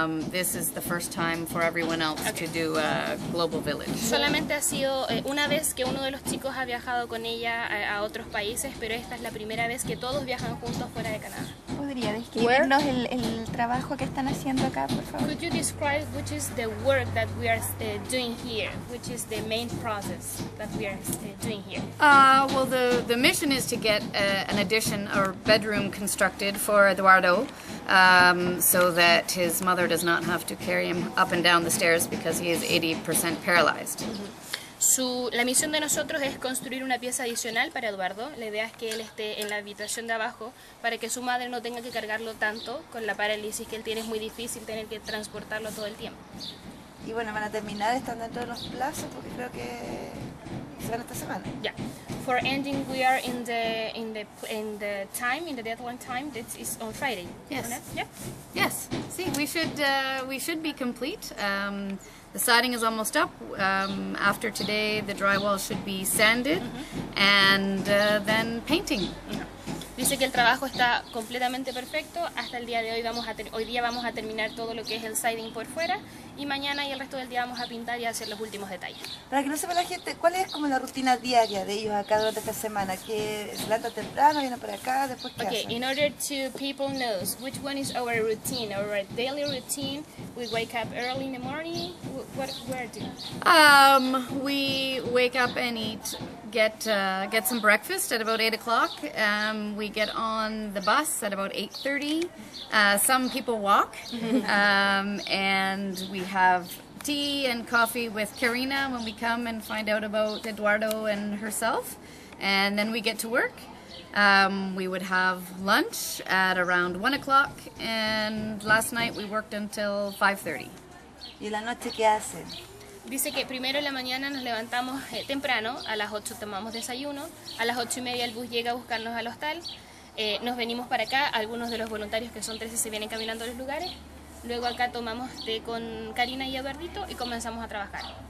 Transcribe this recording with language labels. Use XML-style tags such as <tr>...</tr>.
<en>This is the first time for everyone else to do a global village.</en> <es>Solamente ha sido una vez que uno de los chicos ha viajado con ella a otros países, pero esta es la primera vez que todos viajan juntos fuera de Canadá. ¿Podría describirnos el trabajo que están haciendo acá, por favor?</es> <en>Could you describe which is the work that we are doing here? Which is the main process that we are doing here? Well, the mission is to get an addition or bedroom constructed for Eduardo, so that his mother does not have to carry him up and down the stairs because he is 80% paralyzed. Mm-hmm.</en> <es>La misión de nosotros es construir una pieza adicional para Eduardo. La idea es que él esté en la habitación de abajo para que su madre no tenga que cargarlo tanto con la parálisis que él tiene. Es muy difícil tener que transportarlo todo el tiempo. Y bueno, van a terminar, están dentro de los plazos, porque creo que se van esta semana.</es> <en>Yeah. For ending, we are in the time, in the deadline time, that is on Friday. Yes. Yeah? Yes. See, we should be complete. The siding is almost up. After today, the drywall should be sanded, mm-hmm. and then painting.</en> <es>Dice que el trabajo está completamente perfecto. Hasta el día de hoy vamos a terminar todo lo que es el siding por fuera. Y mañana y el resto del día vamos a pintar y a hacer los últimos detalles. Para que no sepa la gente, ¿cuál es como la rutina diaria de ellos acá durante esta semana? ¿Que se levanta temprano, viene para acá, después qué</es> <en>okay,</en> <es>hacen?</es> <en>Okay, in order to people knows which one is our routine, our daily routine, we wake up early in the morning. Where do? We wake up and eat, get some breakfast at about 8 o'clock. We get on the bus at about 8:30. Some people walk, and we have tea and coffee with Karina when we come and find out about Eduardo and herself, and then we get to work. We would have lunch at around 1 o'clock, and last night we worked until 5:30.</en> <es>¿Y la noche qué hacen? Dice que primero en la mañana nos levantamos temprano, a las 8 tomamos desayuno, a las 8:30 el bus llega a buscarnos al hostal, nos venimos para acá, algunos de los voluntarios que son 13 se vienen caminando a los lugares. Luego acá tomamos té con Karina y Eduardito y comenzamos a trabajar.</es>